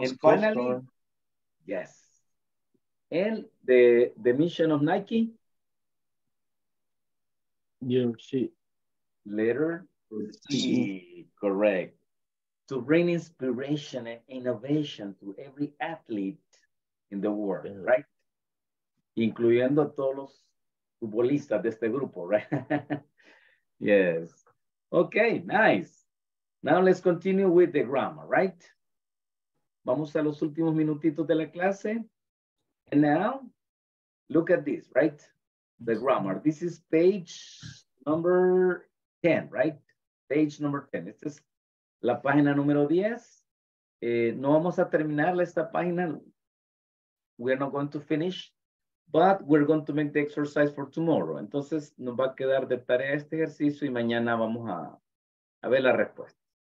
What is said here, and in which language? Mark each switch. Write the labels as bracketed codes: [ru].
[en] and finally, star. Yes. And the mission of Nike? Letter C. Correct. To bring inspiration and innovation to every athlete in the world, yeah. Right? [es] Incluyendo a todos los futbolistas de este grupo, [en] right? Yes. Okay, nice. Now let's continue with the grammar, right? [es] Vamos a los últimos minutitos de la clase. [en] And now, look at this, right? The grammar. This is page number 10, right? page number 10. [es] Esta es la página número 10. No vamos a terminar esta página. [en] We're not going to finish, but we're going to make the exercise for tomorrow. [es] Entonces, nos va a quedar de tarea este ejercicio y mañana vamos a ver la respuesta.